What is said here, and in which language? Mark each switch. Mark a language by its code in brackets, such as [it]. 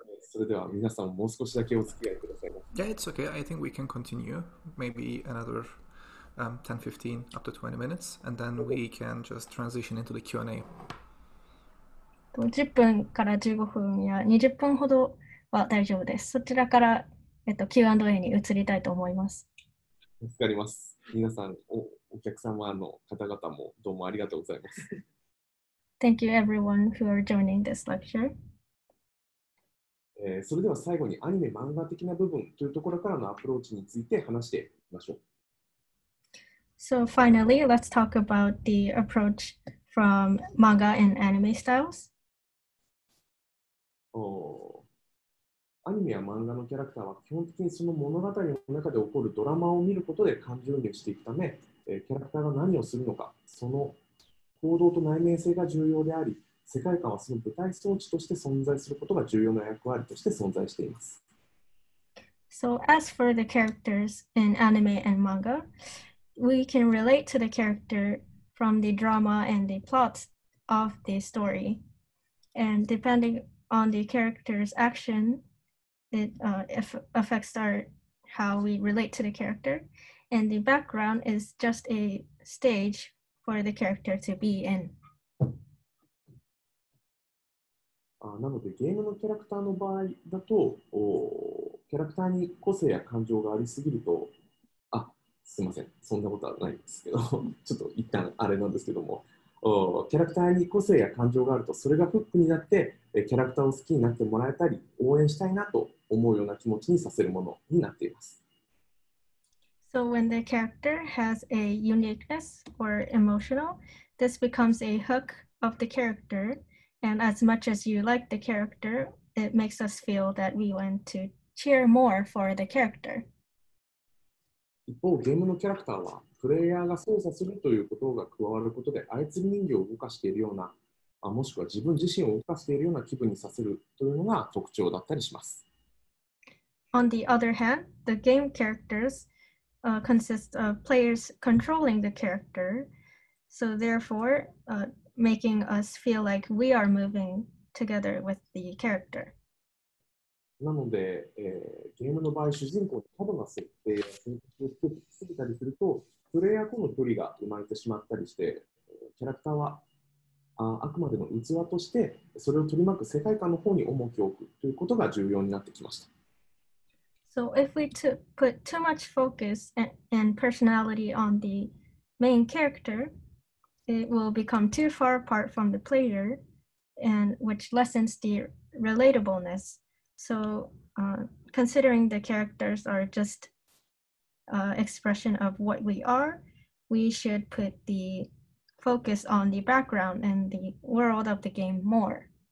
[ja] それでは皆さんもう少しだけお付き合いください。 [en] Yeah, it's okay. I think we can continue. Maybe another 10, 15, up to 20 minutes, and then we can just transition into the Q&A. [ja] 10分から15分や20分ほどは大丈夫です。そちらから、Q&A に移りたいと思います。わかります。皆さん、お客様の方々もどうもありがとうございます。 [en] Thank you everyone who are joining this lecture. [ja] それでは最後にアニメ漫画的な部分というところからのアプローチについて話してみましょう。 [en] So finally, let's talk about the approach from manga and anime styles. [ja] アニメや漫画のキャラクターは基本的にその物語の中で起こるドラマを見ることで感情移入していくため、キャラクターが何をするのか、その行動と内面性が重要であり、世界観はその舞台装置として存在することが重要な役割として存在しています。 [en] So as for the characters in anime and manga, we can relate to the character from the drama and the plots of the story. And depending on the character's action, it affects our how we relate to the character, and the background is just a stage for the character to be in. [ja] なので、ゲームのキャラクターの場合だと、キャラクターに個性や感情がありすぎると、すいません、そんなことはないんですけど、ちょっと一旦あれなんですけども、キャラクターに個性や感情があると、それがフックになって、キャラクターを好きになってもらえたり、応援したいなと思うような気持ちにさせるものになっています。 [en] So when the character has a uniqueness or emotional, this becomes a hook of the character, and as much as you like the character, it makes us feel that we want to cheer more for the character. [ja] 一方、ゲームのキャラクターは、プレイヤーが操作するということが加わることで、操り人形を動かしているような、もしくは自分自身を動かしているような気分にさせるというのが特徴だったりします。 [en] On the other hand, the game characters, consist of players controlling the character, so therefore, making us feel like we are moving together with the character. [ja] なので、ゲームの場合、主人公に過度な設定や選択を作りたりすると、プレイヤーとの距離が生まれてしまったりして、キャラクターはあくまでも器として、それを取り巻く世界観の方に重きを置くということが重要になってきました。 [en] So if we put too much focus and personality on the main character, it will become too far apart from the player, and which lessens the relatableness. So considering the characters are just expression of what we are, we should put the focus on the background and the world of the game more.